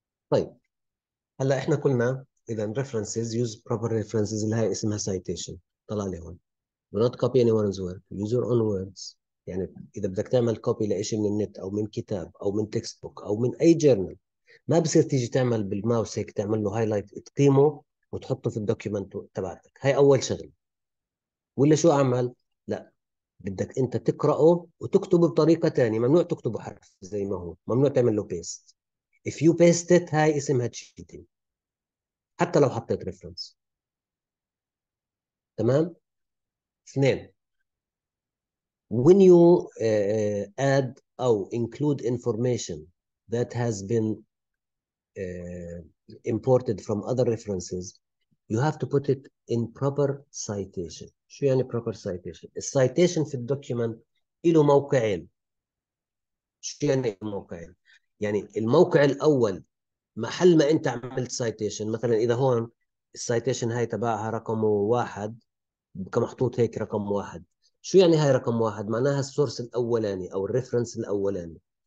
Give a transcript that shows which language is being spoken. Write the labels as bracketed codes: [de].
[ar] طيب هلا احنا قلنا اذا [en] references use proper references [ar] اللي هي اسمها citation، طلع لي هون [en] do not copy anyone's work use your own words. [ar] يعني اذا بدك تعمل copy لإشي من النت او من كتاب او من text book او من اي journal، ما بصير تيجي تعمل بالماوس هيك تعمل له هايلايت تقيمه وتحطه في الدوكيومنت تبعتك. هاي اول شغله. ولا شو اعمل؟ لا، بدك انت تقراه وتكتبه بطريقه ثانيه، ممنوع تكتبه حرف زي ما هو، ممنوع تعمل له بيست. [en] If you paste it [ar] هاي اسمها cheating، حتى لو حطيت ريفرنس. تمام؟ اثنين، [en] when you add or include information that has been imported from other references you have to put it in proper citation. [ar] شو يعني proper citation؟ السيتيشن في الدوكيومنت له موقعين. شو يعني موقعين؟ يعني الموقع الاول محل ما انت عملت سايتيشن، مثلا اذا هون السايتيشن هاي تبعها رقم واحد كمحطوط هيك رقم واحد، شو يعني هاي رقم واحد؟ معناها السورس الاولاني او الريفرنس الاولاني.